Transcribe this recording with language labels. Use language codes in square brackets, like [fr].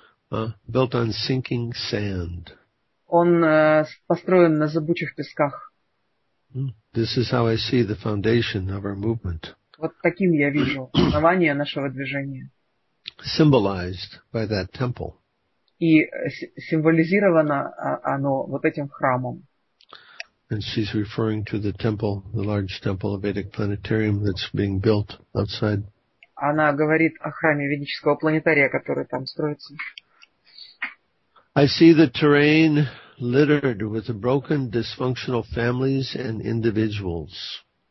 [en] Built on sinking sand. [ru] Он построен на зыбучих песках. [en] This is how I see the foundation of our movement. [ru] Вот таким я вижу основание нашего движения. [en] Symbolized by that temple. [ru] И символизировано оно вот этим храмом. [en] And she's referring to the temple, the large temple of Vedic Planetarium that's being built outside. [ru] Она говорит о храме ведического планетария, который там строится. [en] I see the terrain littered with broken, dysfunctional families and individuals.